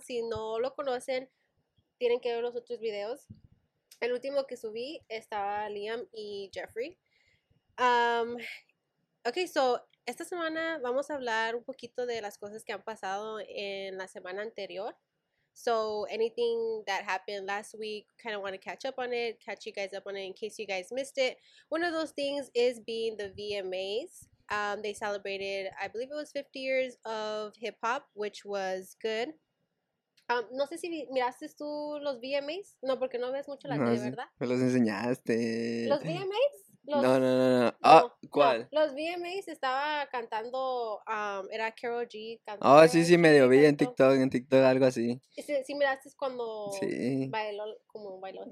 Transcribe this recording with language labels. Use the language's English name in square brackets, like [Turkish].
[Spanish] Si no lo conocen, tienen que ver los otros videos. El último que subí estaba Liam y Jeffrey. Okay, so esta semana vamos a hablar un poquito de las cosas que han pasado en la semana anterior. [English] So, anything that happened last week, kind of want to catch up on it, catch you guys up on it in case you guys missed it. One of those things is being the VMAs. They celebrated, I believe it was 50 years of hip-hop, which was good. [Spanish] No sé si miraste tú los VMAs. No, porque no ves mucho la tele, ¿verdad? Me los enseñaste. ¿Los VMAs? No. Ah, no, ¿cuál? No. Los VMAs estaba cantando, era Karol G cantando. Oh, sí, medio vi en TikTok, algo así. Sí, miraste cuando bailó, como bailó.